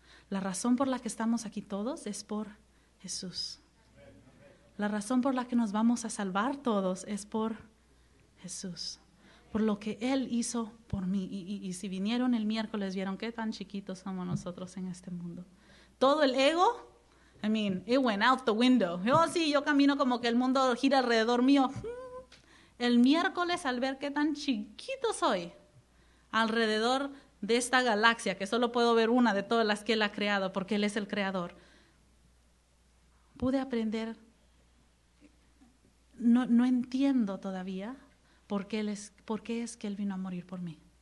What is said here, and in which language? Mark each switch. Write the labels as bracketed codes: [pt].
[es] La razón por la que estamos aquí todos es por Jesús. La razón por la que nos vamos a salvar todos es por Jesús. Por lo que Él hizo por mí. Y si vinieron el miércoles, vieron qué tan chiquitos somos nosotros en este mundo. Todo el ego, [en] I mean, it went out the window. [es] Oh, sí, yo camino como que el mundo gira alrededor mío. El miércoles, al ver qué tan chiquito soy alrededor de esta galaxia, que solo puedo ver una de todas las que Él ha creado, porque Él es el Creador, pude aprender, no entiendo todavía, ¿Por qué es que Él vino a morir por mí?